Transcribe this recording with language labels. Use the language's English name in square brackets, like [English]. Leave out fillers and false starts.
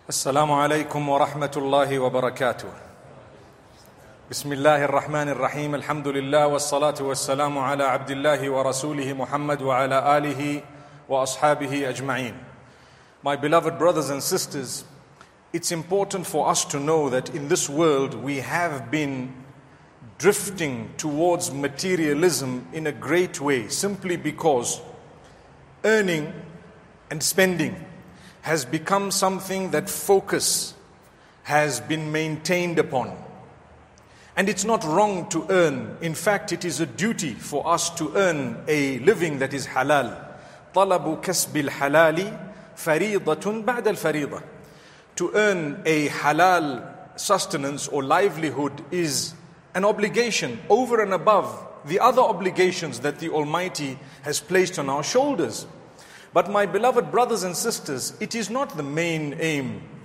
[Arabic] السلام عليكم ورحمة الله وبركاته بسم الله الرحمن الرحيم الحمد لله والصلاة والسلام على عبد الله ورسوله محمد وعلى آله وأصحابه أجمعين. [English] My beloved brothers and sisters, it's important for us to know that in this world we have been drifting towards materialism in a great way, simply because earning and spending has become something that focus has been maintained upon. And it's not wrong to earn. In fact, it is a duty for us to earn a living that is halal. [Arabic] طلب كسب الحلال فريضة بعد الفريضة. [English] To earn a halal sustenance or livelihood is an obligation over and above the other obligations that the Almighty has placed on our shoulders. But my beloved brothers and sisters, it is not the main aim.